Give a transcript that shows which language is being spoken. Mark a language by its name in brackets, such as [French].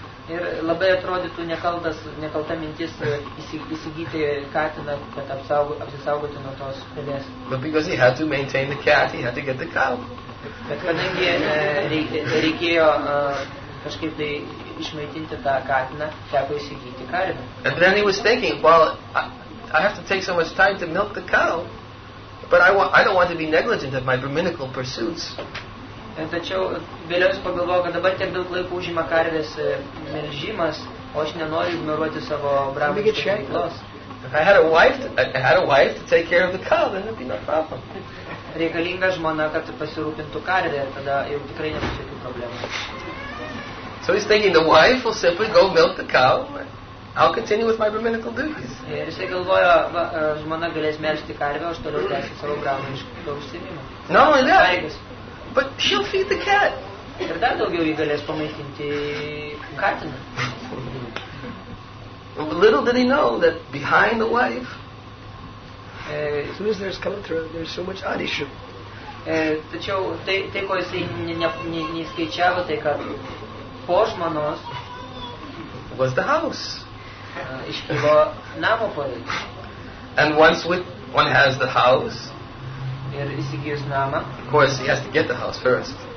[Lithuanian] Ir labai atrodytų nekalta mintis įsigyti katiną, kad apsisaugoti nuo tos pelės. [English] But because he had to maintain the cat, he had to get the cow. [Lithuanian] Bet kadangi reikėjo kažkaip tai išmaitinti tą katiną, teko įsigyti kariną. [English] And then he was thinking, well, I have to take so much time to milk the cow, but I don't want to be negligent of my brahminical pursuits. [Lithuanian] Tačiau vėliau jis pagalvojo, kad dabar tiek daug laiko užima karvės melžimas, o aš nenoriu ignoruoti savo brahminiškos veiklos. [English] I had a wife to take care of the cow, then it'd be no problem. [Lithuanian] Reikalinga žmona, kad pasirūpintų karvė, tada jau tikrai nebus jokių problemų. [English] So he's thinking the wife will simply go milk the cow. I'll continue with my brahminical duties. [Lithuanian] Ir jisai galvojo, žmona galės melžti karvę, aš toliau tęsiu savo brahminišką užsiėmimą. [English] No, and that. But she'll feed the cat. [Lithuanian] Ir dar daugiau jį galės pamaitinti katiną. [English] Little did he know that behind the wife, as soon as there's coming through, there's so much adishu. [Lithuanian] Tačiau tai, ko jisai neskaičiavo, tai kad po žmonos [English] was the house. [Lithuanian] Iškilo namo poreikis. [English] And once one has the house, of course, he has to get the house first.